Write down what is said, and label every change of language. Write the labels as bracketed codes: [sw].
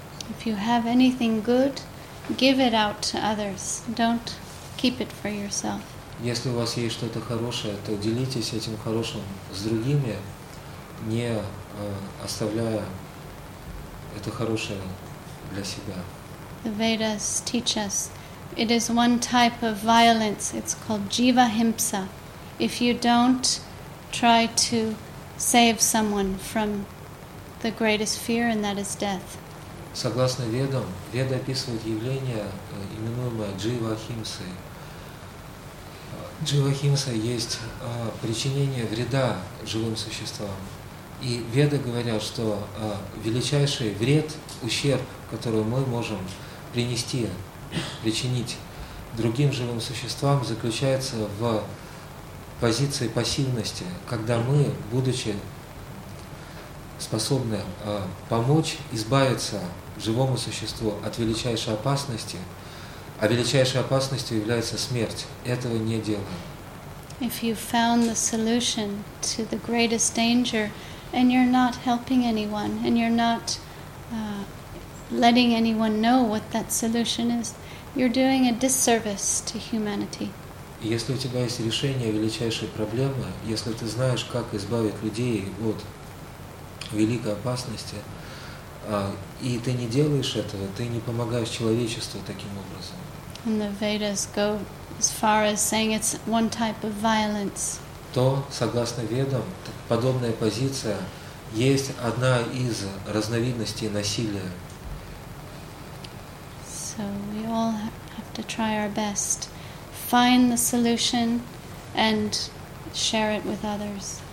[en] If you have anything good, give it out to others. Don't keep it for yourself. [ru] Если у вас есть что-то хорошее, то делитесь этим хорошим с другими, не оставляя это хорошее для себя. [en] The Vedas teach us it is one type of violence. It's called jiva himsa. If you don't try to save someone from the greatest fear, and that is death. [ru] Согласно Ведам, Веды описывают явление, именуемое jiva himsa. Дживахимса есть причинение вреда живым существам. И Веды говорят, что величайший вред, ущерб, который мы можем причинить другим живым существам заключается в позиции пассивности, когда мы, будучи способны помочь избавиться живому существу от величайшей опасности, а величайшей опасностью является смерть. Этого не делаем. [en] If you found the solution to the greatest danger and you're not helping anyone and you're not letting anyone know what that solution is, you're doing a disservice to humanity. [ru] Если у тебя есть решение величайшей проблемы, если ты знаешь, как избавить людей от великой опасности, и ты не делаешь этого, ты не помогаешь человечеству таким образом. [en] And the Vedas go as far as saying it's one type of violence. [ru] То, согласно Ведам, подобная позиция есть одна из разновидностей насилия. [en] So we all have to try our best, find the solution, and share it with others.